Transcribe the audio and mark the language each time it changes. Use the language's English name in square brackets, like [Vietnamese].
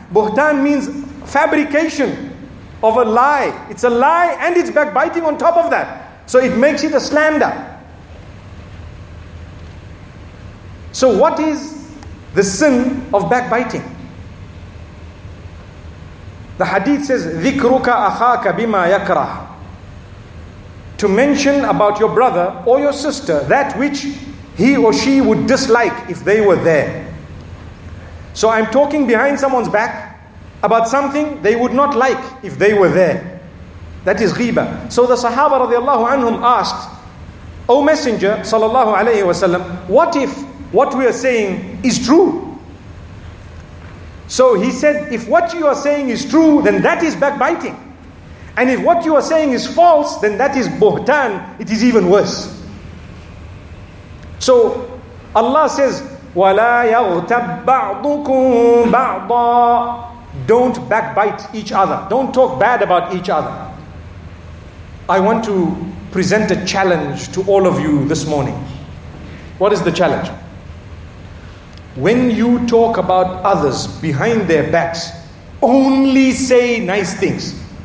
[English] Buhtan means fabrication of a lie. It's a lie and it's backbiting on top of that. So it makes it a slander. So what is the sin of backbiting? The hadith says, [Arabic] ذِكْرُكَ أَخَاكَ بِمَا يَكْرَهُ. [English] To mention about your brother or your sister that which he or she would dislike if they were there. So I'm talking behind someone's back about something they would not like if they were there. That is ghiba. So the Sahaba radiallahu anhum asked, O Messenger sallallahu alayhi wa sallam, what if what we are saying is true? So he said, if what you are saying is true, then that is backbiting. And if what you are saying is false, then that is buhtan. It is even worse. So Allah says, [Arabic] وَلَا يَغْتَبْ بَعْضُكُمْ بَعْضًا. [English] Don't backbite each other. Don't talk bad about each other. I want to present a challenge to all of you this morning. What is the challenge? When you talk about others behind their backs, only say nice things.